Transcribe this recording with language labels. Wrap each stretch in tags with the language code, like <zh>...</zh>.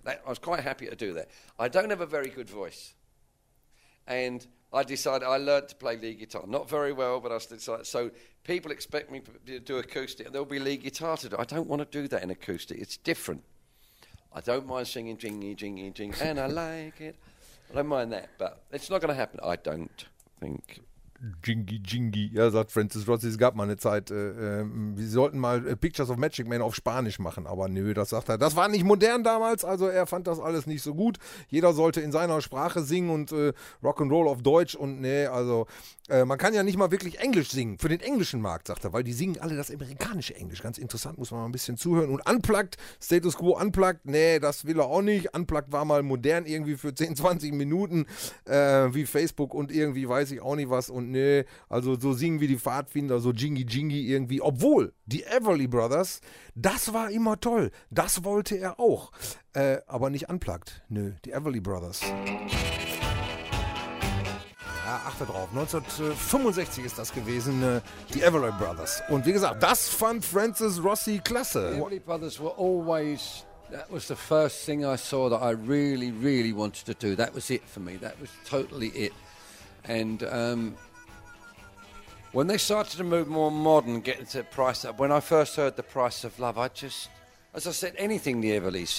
<en>I was quite happy to do that. I don't have a very good voice. And I decided I learned to play lead guitar. Not very well, but I decided. So people expect me to do acoustic, and there'll be lead guitar to do. I don't want to do that in acoustic. It's different. I don't mind singing jingy, jingy, jing, and I like it. I don't mind that, but it's not going to happen, I don't think.</en> <de>Jingy, jingy, ja, sagt Francis Rossi, es gab mal eine Zeit, wir sollten mal Pictures of Magic Man auf Spanisch machen, aber nö, das sagt er, das war nicht modern damals, also er fand das alles nicht so gut, jeder sollte in seiner Sprache singen und Rock'n'Roll auf Deutsch und nee, also man kann ja nicht mal wirklich Englisch singen, für den englischen Markt, sagt er, weil die singen alle das amerikanische Englisch, ganz interessant, muss man mal ein bisschen zuhören und Unplugged, Status Quo Unplugged, nee, das will er auch nicht, Unplugged war mal modern irgendwie für 10, 20 Minuten, wie Facebook und irgendwie weiß ich auch nicht was und nee, also so singen wie die Pfadfinder, so Jingy Jingy irgendwie. Obwohl, die Everly Brothers, das war immer toll. Das wollte er auch. Aber nicht unplugged. Nö, die Everly Brothers. Ja, achte drauf, 1965 ist das gewesen, die Everly Brothers. Und wie gesagt, das fand Francis Rossi klasse.</de> <en>The Everly Brothers were always, that was the first thing I saw that I really, really wanted to do. That was it for me. That was totally it. And, when they started to move more modern, getting to price up, when I first heard The Price of Love, I just, as I said, anything the Everlys.</en>